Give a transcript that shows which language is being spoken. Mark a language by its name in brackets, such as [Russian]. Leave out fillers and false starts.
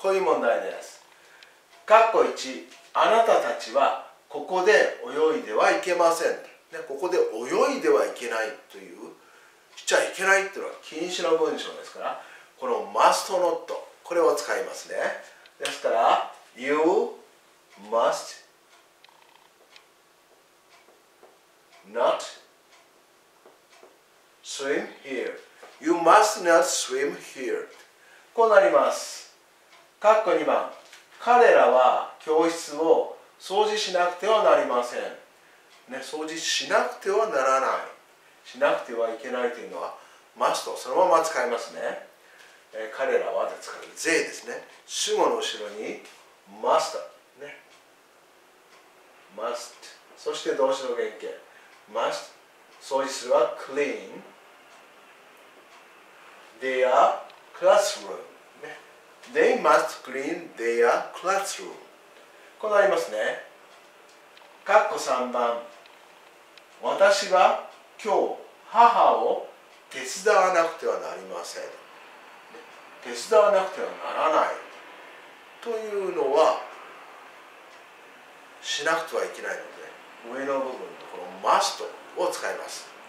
[Japanese] こういう問題です。括弧1、あなたたちはここで泳いではいけません。ここで泳いではいけないという、しちゃいけないというのは禁止の文章ですから、この must not、これを使いますね。ですから、 [English] you must not swim here. You must not swim here. [Japanese] こうなります。括弧2番。彼らは教室を掃除しなくてはなりません。ね、掃除しなくてはならない。しなくてはいけないというのは、must そのまま使いますね。彼らはですから、they ですね。主語の後ろに must、ね。 must。 そして動詞の原形。 [English] must [Japanese] 掃除するは [English] clean their classroom、ね、they must clean their classroom、 [Japanese] こうなりますね。括弧3番、私は今日母を手伝わなくてはなりません、ね、手伝わなくてはならないというのはしなくてはいけないので、上の部分のこの must を使います。